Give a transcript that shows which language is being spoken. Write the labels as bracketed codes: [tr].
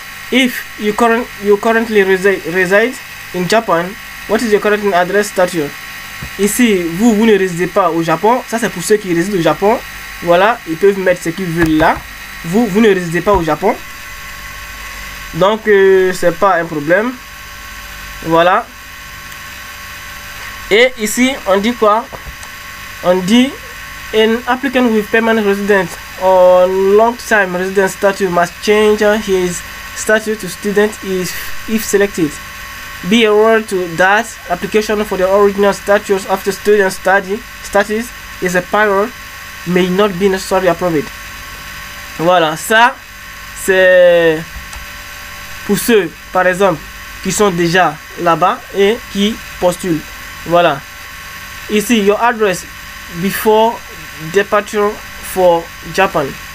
[en] If you currently reside in Japan, what is your current address status? [fr] Ici, vous ne résidez pas au Japon. Ça, c'est pour ceux qui résident au Japon. Voilà, ils peuvent mettre ce qu'ils veulent là. Vous ne résidez pas au Japon. Donc, c'est pas un problème. Voilà. Et ici, on dit quoi? On dit [en] an applicant with permanent residence or long-time resident status must change his status to student if selected. Be aware to that application for the original status after student status is a prior may not be necessarily approved. [fr] Voilà, ça c'est pour ceux par exemple qui sont déjà là-bas et qui postulent. Voilà, ici [en] your address before departure for Japan.